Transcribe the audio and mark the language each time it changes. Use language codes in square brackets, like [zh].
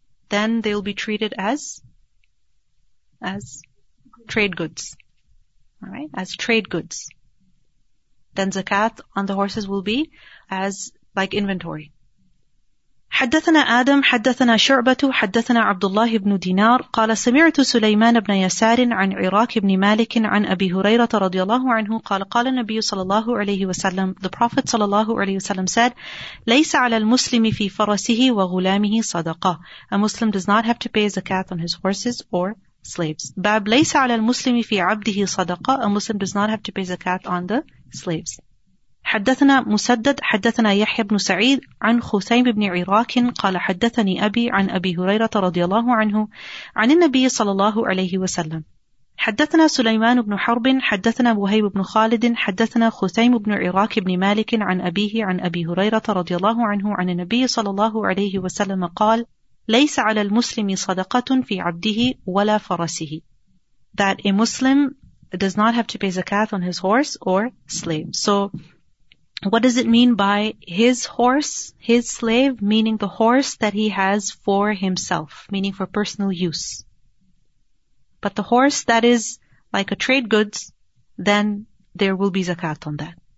[en] Then they will be treated as trade goods. All right, as trade goods. Then zakat on the horses will be as like inventory. [ar] حدثنا آدم حدثنا شعبة حدثنا عبد الله بن دينار قال سمعت سليمان بن يسار عن عراك بن مالك عن أبي هريرة رضي الله عنه قال قال النبي صلى الله عليه وسلم, [en] the Prophet صلى الله عليه وسلم said, [ar] ليس على المسلم في فرسه وغلامه صدقة. [en] A Muslim does not have to pay zakat on his horses or slaves. [ar] باب ليس على المسلم في عبده صدقة. [en] A Muslim does not have to pay zakat on the slaves. [ar] حدثنا مسدد حدثنا يحيى بن سعيد عن خثيم بن عراك قال حدثني أبي عن أبي هريرة رضي الله عنه عن النبي صلى الله عليه وسلم حدثنا سليمان بن حرب حدثنا وهيب بن خالد حدثنا خثيم بن عراك بن مالك عن أبيه عن أبي هريرة رضي الله عنه عن النبي صلى الله عليه وسلم قال ليس على المسلم صدقة في عبده ولا فرسه. [en] That a Muslim does not have to pay zakat on his horse or slave. So what does it mean by his horse, his slave, meaning the horse that he has for himself, meaning for personal use. But the horse that is like a trade goods, then there will be zakat on that.